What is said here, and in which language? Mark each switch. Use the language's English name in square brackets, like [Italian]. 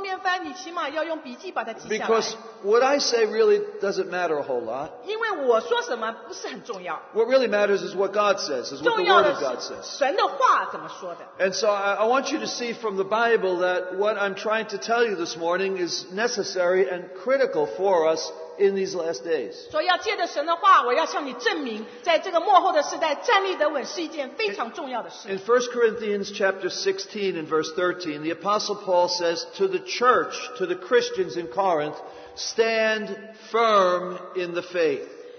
[Chinese] 但我们要读一些的圣经，那如果你不方便翻，你起码要用笔记把它记下来。 [English] Because what I say really doesn't matter a whole lot. [Chinese] 因为我说什么不是很重要。 [English] What really matters is what God says, is what the Word of God says. [Chinese] 神的话怎么说的。 [English] And so I want you to see from the Bible that what I'm trying to tell you this morning is necessary and critical for us in these last days. [Chinese] 所以要借着神的话，我要向你证明，在这个末后的时代，站立得稳是一件非常重要的事。 [English] In 1 Corinthians chapter 16 and verse 13, the Apostle Paul says to the church, to the Christians in Corinth, stand firm in the faith.